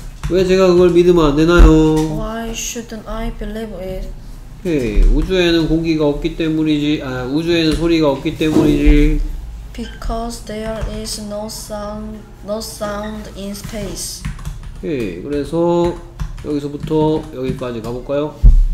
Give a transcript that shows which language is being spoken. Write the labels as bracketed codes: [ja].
[ko] 왜 제가 그걸 믿으면 안 되나요? [en] Why shouldn't I believe it? [ko] 오케이. 우주에는 공기가 없기 때문이지. 아, 우주에는 소리가 없기 때문이지. [en] Because there is no sound, no sound in space. [ko] 오케이. 그래서 여기서부터 여기까지 가볼까요?